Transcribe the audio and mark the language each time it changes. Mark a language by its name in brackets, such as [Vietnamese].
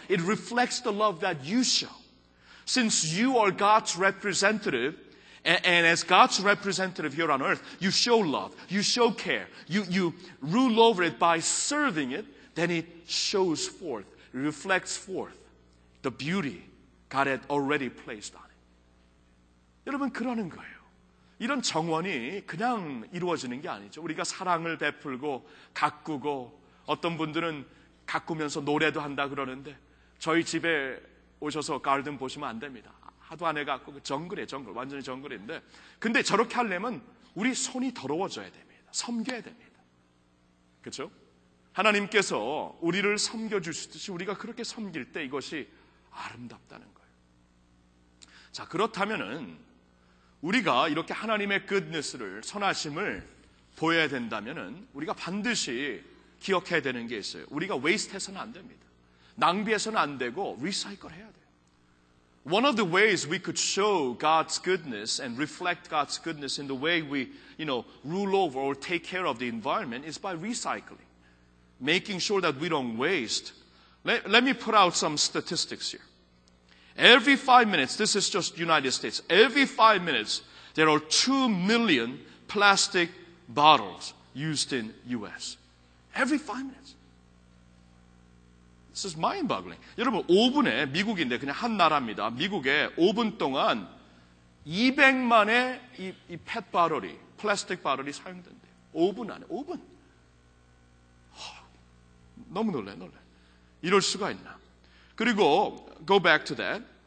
[English] It reflects the love that you show. Since you are God's representative, and as God's representative here on earth, you show love, you show care, you rule over it by serving it, then it shows forth, reflects forth the beauty God had already placed on it. [Korean] 여러분, 그러는 거예요. 이런 정원이 그냥 이루어지는 게 아니죠. 우리가 사랑을 베풀고 가꾸고 어떤 분들은 가꾸면서 노래도 한다 그러는데 저희 집에 오셔서 가든 보시면 안 됩니다. 하도 안 해갖고 정글에 정글, 완전히 정글인데, 근데 저렇게 하려면 우리 손이 더러워져야 됩니다. 섬겨야 됩니다. 그렇죠? 하나님께서 우리를 섬겨주시듯이 우리가 그렇게 섬길 때 이것이 아름답다는 거예요. 자, 그렇다면은 우리가 이렇게 하나님의 goodness를, 선하심을 보여야 된다면은 우리가 반드시 기억해야 되는 게 있어요. 우리가 waste해서는 안 됩니다. 낭비해서는 안 되고 recycle 해야 돼요. [English] One of the ways we could show God's goodness and reflect God's goodness in the way we, you know, rule over or take care of the environment is by recycling, making sure that we don't waste. Let me put out some statistics here. Every 5 minutes, this is just United States, every 5 minutes, there are 2 million plastic bottles used in U.S. Every 5 minutes. This is mind-boggling. [Korean] 여러분, 5분에, 미국인데 그냥 한 나라입니다. 미국에 5분 동안 200만의 이 PET 바럴이, 플라스틱 바럴이 사용된대요. 5분 안에, 5분. 너무 놀래. 이럴 수가 있나. 그리고, [English] go back to that.